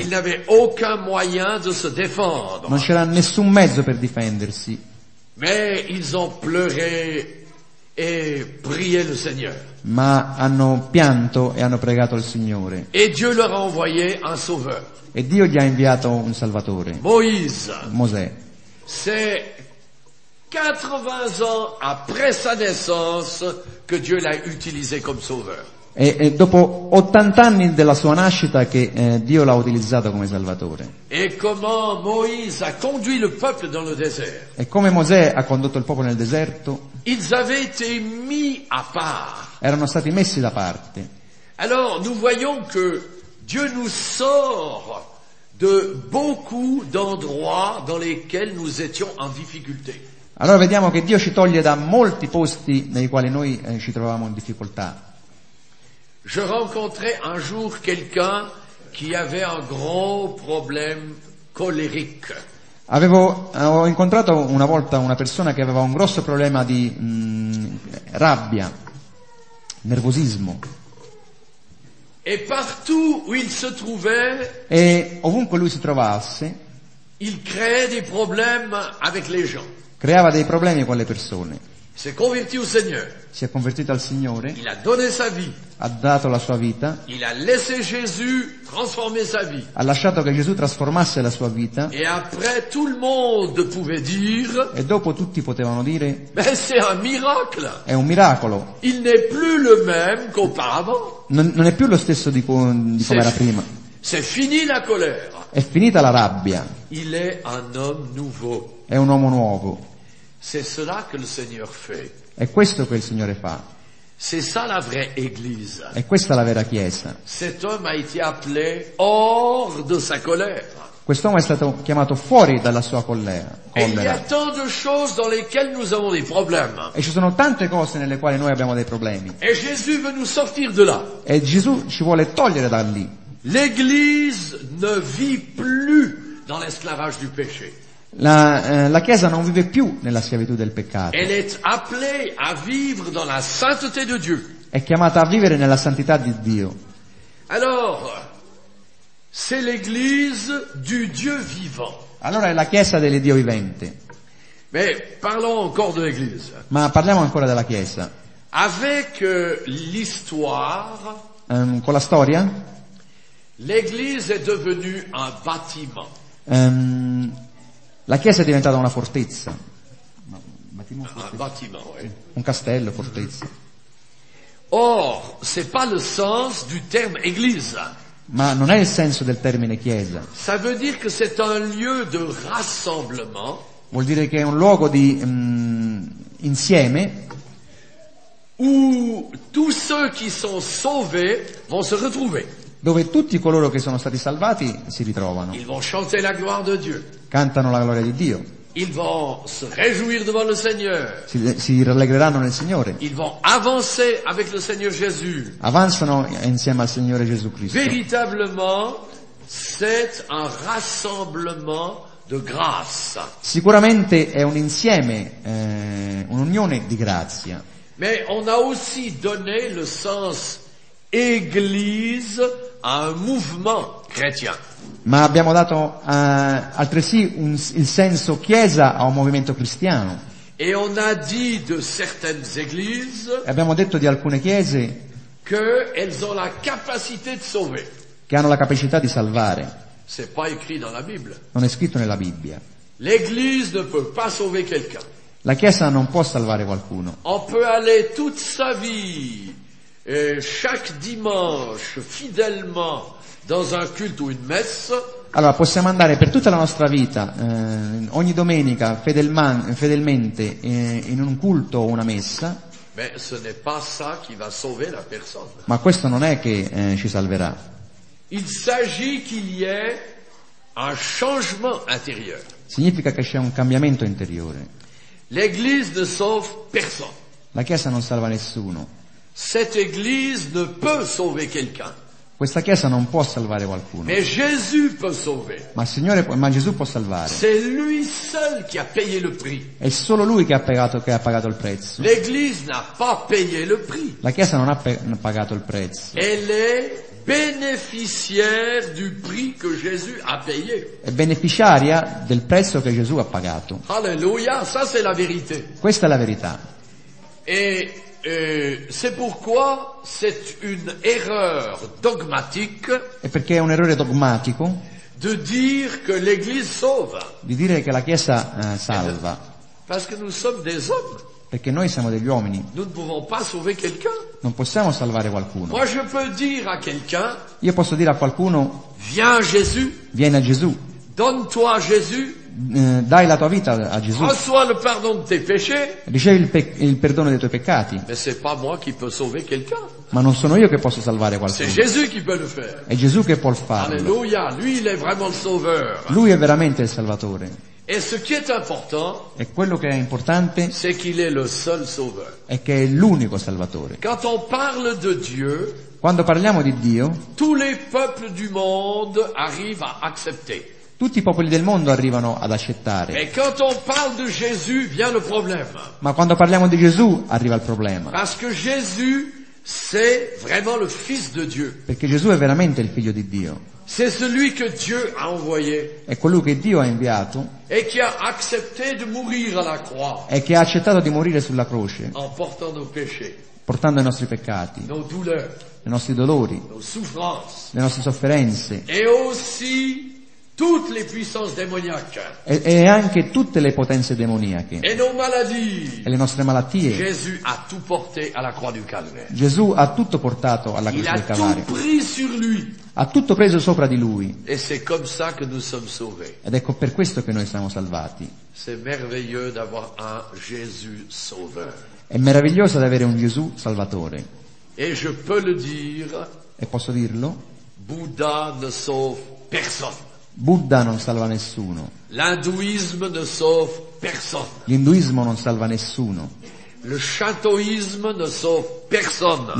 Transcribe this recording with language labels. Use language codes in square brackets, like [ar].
[fr] Ils n'avaient aucun moyen de se défendre. [it] Non c'era nessun mezzo per difendersi. [fr] Mais ils ont pleuré et prié le Seigneur. [it] Ma hanno pianto e hanno pregato il Signore. [fr] Et Dieu leur a envoyé un sauveur. [it] E Dio gli ha inviato un salvatore. [fr] Moïse. [it] Mosè. [fr] C'est 80 ans après sa naissance que Dieu l'a utilisé comme sauveur. [it] E dopo 80 anni della sua nascita che Dio l'ha utilizzato come salvatore. [fr] Et comment Moïse a conduit le peuple dans le désert? [it] E come Mosè ha condotto il popolo nel deserto? [fr] Ils avaient été mis à part. [it] Erano stati messi da parte. [fr] Alors nous voyons que Dieu nous sort de beaucoup d'endroits dans lesquels nous étions en difficulté. [it] Allora vediamo che Dio ci toglie da molti posti nei quali noi ci trovavamo in difficoltà. [fr] Je rencontrai un jour quelqu'un qui avait un gros problème colérique. [it] Avevo, ho incontrato una volta una persona che aveva un grosso problema di rabbia, nervosismo. [fr] Et partout où il se trouvait, [it] e ovunque lui si trovasse, [fr] il créait des problèmes avec les gens. [it] Creava dei problemi con le persone. [fr] S'est converti au Seigneur. [it] Si è convertito al Signore. [fr] Il a donné sa vie. [it] Ha dato la sua vita. [fr] Il a laissé Jésus transformer sa vie. [it] Ha lasciato che Gesù trasformasse la sua vita. [fr] Et après tout le monde pouvait dire. [it] E dopo tutti potevano dire. [fr] Mais c'est un miracle. [it] È un miracolo. [fr] Il n'est plus le même qu'auparavant. [it] Non è più lo stesso di come era prima. [fr] C'est fini la colère. [it] È finita la rabbia. [fr] Il est un homme nouveau. [it] È un uomo nuovo. [fr] C'est cela que le Seigneur fait. [it] È questo che il Signore fa. [fr] C'est ça la vraie église. [it] È questa la vera chiesa. [fr] Cet homme a été appelé hors de sa colère. [it] Quest'uomo è stato chiamato fuori dalla sua collera. [fr] Il y a tant de choses dans lesquelles nous avons des problèmes. [it] E ci sono tante cose nelle quali noi abbiamo dei problemi. [fr] Et Jésus veut nous sortir de là. [it] E Gesù ci vuole togliere da lì. [fr] L'église ne vit plus dans l'esclavage du péché. [it] La chiesa non vive più nella schiavitù del peccato. [fr] Elle est appelée à vivre dans la sainteté de Dieu. [it] È chiamata a vivere nella santità di Dio. [fr] Alors, c'est l'église du Dieu vivant. [it] Allora è la chiesa del Dio vivente. [fr] Mais parlons encore de l'église. [it] Ma parliamo ancora della chiesa. [fr] Avec l'histoire, [it] con la storia, [fr] l'église est devenue un bâtiment. [it] La chiesa è diventata una fortezza. Un castello, fortezza. [fr] Or, c'est pas le sens du terme église. [it] Ma non è il senso del termine chiesa. [fr] Ça veut dire que c'est un lieu de rassemblement. [it] Vuol dire che è un luogo di insieme. [fr] Où tous ceux qui sont sauvés vont se retrouver. [it] Dove tutti coloro che sono stati salvati si ritrovano. [fr] Ils vont chanter la gloire de Dieu. [it] Cantano la gloria di Dio. [fr] Ils vont se réjouir devant le Seigneur. [it] Si rallegreranno nel Signore. [fr] Ils vont avancer avec le Seigneur Jésus. [it] Avanzano insieme al Signore Gesù Cristo. [fr] Véritablement, c'est un rassemblement de grâce. [it] Sicuramente è un insieme, un'unione di grazia. [fr] Mais on a aussi donné le sens Église a un mouvement chrétien. [it] Ma abbiamo dato altresì il senso chiesa a un movimento cristiano. [fr] Et on a dit de certaines églises. [it] E abbiamo detto di alcune chiese. [fr] Que elles ont la capacité de sauver. [it] Che hanno la capacità di salvare. [fr] C'est pas écrit dans la Bible. [it] Non è scritto nella Bibbia. [fr] L'église ne peut pas sauver quelqu'un. [it] La chiesa non può salvare qualcuno. [fr] On peut aller toute sa vie. Et chaque dimanche fidèlement dans un culte ou une messe. [it] Allora possiamo andare per tutta la nostra vita ogni domenica fedelmente in un culto o una messa. [fr] Mais ce n'est pas ça qui va sauver la personne. [it] Ma questo non è che ci salverà. [fr] Il s'agit qu'il y ait un changement intérieur. [it] Significa che c'è un cambiamento interiore. [fr] L'église ne sauve personne. [it] La chiesa non salva nessuno. [fr] Cette église ne peut sauver quelqu'un. [it] Questa chiesa non può salvare qualcuno. [fr] Mais Jésus peut sauver. [it] Ma Gesù può salvare. [fr] C'est lui seul qui a payé le prix. [it] È solo lui che ha pagato il prezzo. [fr] L'église n'a pas payé le prix. [it] La chiesa non ha pagato il prezzo. [fr] Elle est bénéficiaire du prix que Jésus a payé. [it] È beneficiaria del prezzo che Gesù ha pagato. [fr] Alléluia, ça c'est la vérité. [it] Questa è la verità. [fr] Et c'est pourquoi c'est une erreur dogmatique. [it] E perché è un errore dogmatico? [fr] De dire que l'Église sauve. [it] Di dire che la Chiesa salva. [fr] Parce que nous sommes des hommes. [it] Perché noi siamo degli uomini. [fr] Nous ne pouvons pas sauver quelqu'un. [it] Non possiamo salvare qualcuno. [fr] Moi je peux dire à quelqu'un. [it] Io posso dire a qualcuno. [fr] Viens Jésus. [it] Vieni a Gesù. [fr] Donne-toi Jésus. [it] Dai la tua vita a Gesù. [fr] Reçois le pardon de tes péchés. [it] Ricevi il perdono dei tuoi peccati. [fr] Mais c'est pas moi qui peux sauver quelqu'un. [it] Ma non sono io che posso salvare qualcuno. [fr] C'est Jésus qui peut le faire. [it] È Gesù che può farlo. [fr] Alleluia. Lui il est vraiment le sauveur. [it] Lui è veramente il salvatore. [fr] Et ce qui est important. [it] E quello che è importante. [fr] C'est qu'il est le seul sauveur. [it] È che è l'unico salvatore. [fr] Quand on parle de Dieu. [it] Quando parliamo di Dio. [fr] Tous les peuples du monde arrivent à accepter. [it] Tutti i popoli del mondo arrivano ad accettare. [fr] Et quand on parle de Jésus, vient le problème. [it] Ma quando parliamo di Gesù arriva il problema. [fr] Parce que Jésus, c'est vraiment le fils de Dieu. [it] Perché Gesù è veramente il figlio di Dio. [fr] C'est celui que Dieu a envoyé. [it] È quello che Dio ha inviato. [fr] Et qui a accepté de mourir à la croix. [it] E che ha accettato di morire sulla croce. [fr] En portant nos péchés. [it] Portando i nostri peccati. [fr] Nos douleurs. [it] I nostri dolori. [fr] Nos souffrances. [it] Le nostre sofferenze. [fr] Et aussi toutes les puissances démoniaques. [it] E anche tutte le potenze demoniache. [fr] Et nos maladies. [it] E le nostre malattie. [fr] Jésus a tout porté à la croix du calvaire. [it] Gesù ha tutto portato alla croce del Calvario. [fr] Il a tout pris sur lui. [it] Ha tutto preso sopra di lui. [fr] Et c'est comme ça que nous sommes sauvés. [it] Ed ecco per questo che noi siamo salvati. [fr] C'est merveilleux d'avoir un Jésus sauveur. [it] È meraviglioso di avere un Gesù salvatore. [fr] Et je peux le dire. [it] E posso dirlo? [fr] Buddha ne sauve personne. [it] Buddha non salva nessuno. [fr] L'hinduismo ne sauve personne. [it] L'induismo non salva nessuno. [fr] Le shintoïsme ne sauve personne.